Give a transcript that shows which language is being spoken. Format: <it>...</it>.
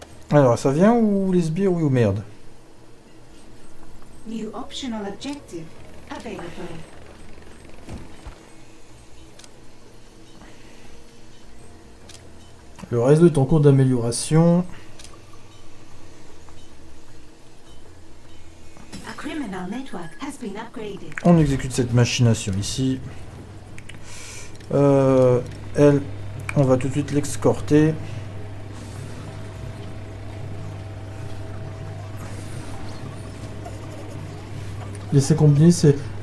<fr>Alors, ça vient ou les sbires ou merde?</fr> <en>New optional objective available.</en> <fr>Le réseau est en cours d'amélioration.</fr> <en>A criminal network has been upgraded.</en> <fr>On exécute cette machination ici. Elle, on va tout de suite l'escorter. Laisser combiner, c'est...</fr>